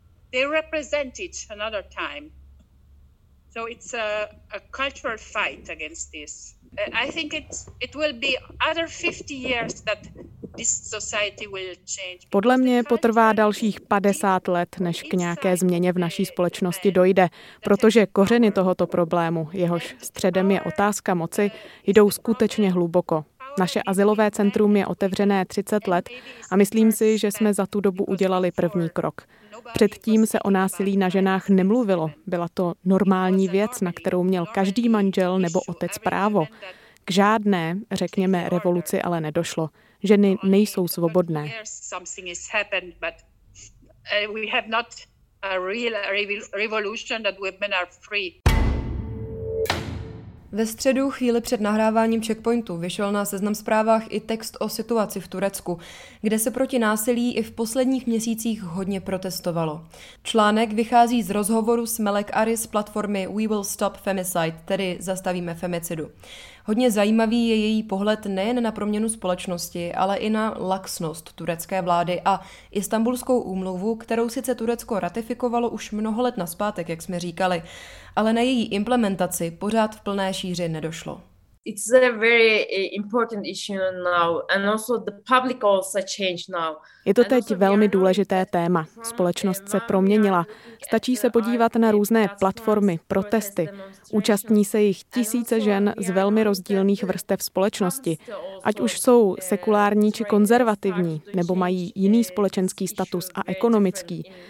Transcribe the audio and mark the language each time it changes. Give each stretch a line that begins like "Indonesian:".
English: They represent it another time. So it's a cultural fight against this. I think it will be other 50 years that this society will change.
Czech: Podle mě potrvá dalších 50 let, než k nějaké změně v naší společnosti dojde, protože kořeny tohoto problému, jehož středem je otázka moci, jdou skutečně hluboko. Naše azylové centrum je otevřené 30 let a myslím si, že jsme za tu dobu udělali první krok. Předtím se o násilí na ženách nemluvilo. Byla to normální věc, na kterou měl každý manžel nebo otec právo. K žádné, řekněme, revoluci ale nedošlo. Ženy nejsou svobodné.
English: We have not a real revolution that women are free.
Czech: Ve středu, chvíli před nahráváním Checkpointu, vyšel na Seznam zprávách i text o situaci v Turecku, kde se proti násilí i v posledních měsících hodně protestovalo. Článek vychází z rozhovoru s Melek Aris z platformy We Will Stop Femicide, tedy Zastavíme femicidu. Hodně zajímavý je její pohled nejen na proměnu společnosti, ale i na laxnost turecké vlády a Istanbulskou úmluvu, kterou sice Turecko ratifikovalo už mnoho let nazpátek, jak jsme říkali, ale na její implementaci pořád v plné šíři nedošlo.
English: It's a very important issue now and also the public also changed now.
Czech: Je to teď velmi důležité téma. Společnost se proměnila. Stačí se podívat na různé platformy, protesty. Účastní se jich tisíce žen z velmi rozdílných vrstev společnosti. Ať už jsou sekulární či konzervativní, nebo mají jiný společenský status a ekonomický.